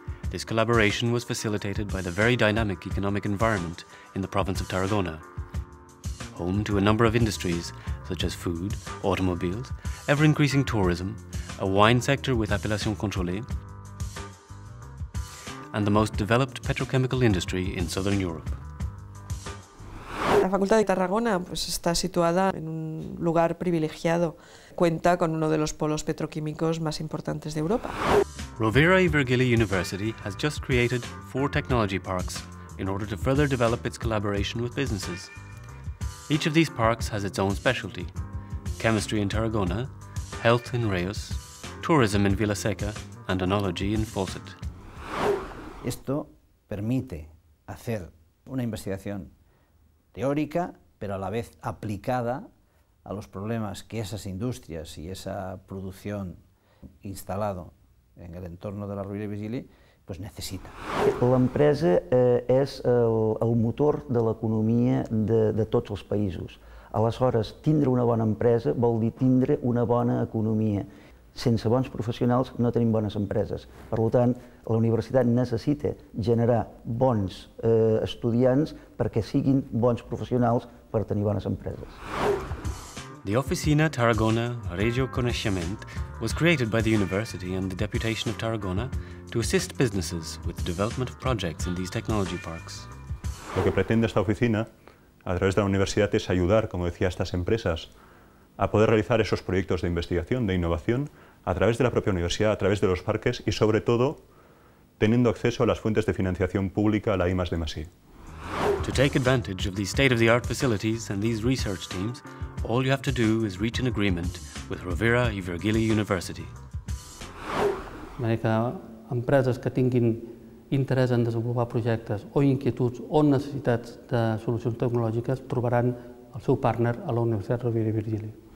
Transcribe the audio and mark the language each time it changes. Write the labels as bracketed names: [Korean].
[English] This collaboration was facilitated by the very dynamic economic environment in the province of Tarragona, home to a number of industries such as food, automobiles, ever-increasing tourism, a wine sector with appellation contrôlée, and the most developed petrochemical industry in southern Europe. [Spanish] La Facultad de Tarragona pues está situada en un lugar privilegiado. Cuenta con uno de los polos petroquímicos más importantes de Europa. [English] Rovira y Virgili University has just created 4 technology parks in order to further develop its collaboration with businesses. Each of these parks has its own specialty: chemistry in Tarragona, health in Reus, tourism in Vilaseca, and oenology in Fawcett. [Spanish] Esto permite hacer una investigación teórica, pero a la vez aplicada a los problemas que esas industrias y esa producción instalado en el entorno de la Rovira y Virgili pues necesita. [Catalan] L'empresa és el motor de l'economia de tots els països. Aleshores, tindre una bona empresa vol dir tindre una bona economia. Sense bons professionals no tenim bones empreses. Per tant, la universitat necessita generar bons estudiants perquè siguin bons professionals per tenir bones empreses. [English] The Oficina Tarragona Regio Conocement was created by the university and the Deputation of Tarragona to assist businesses with the development of projects in these technology parks. [Spanish] Lo que pretende esta oficina a través de la universidad es ayudar, como decía, a estas empresas a poder realizar esos proyectos de investigación, de innovación, a través de la propia universidad, a través de los parques y, sobre todo, teniendo acceso a las fuentes de financiación pública, a la I+D+I. [English] To take advantage of these state-of-the-art facilities and these research teams, all you have to do is reach an agreement with Rovira i Virgili University. [Catalan] Que empreses que tinguin interès en desenvolupar projectes o inquietuds o necessitats de solucions tecnològiques trobaran el seu partner a la Universitat Rovira i Virgili.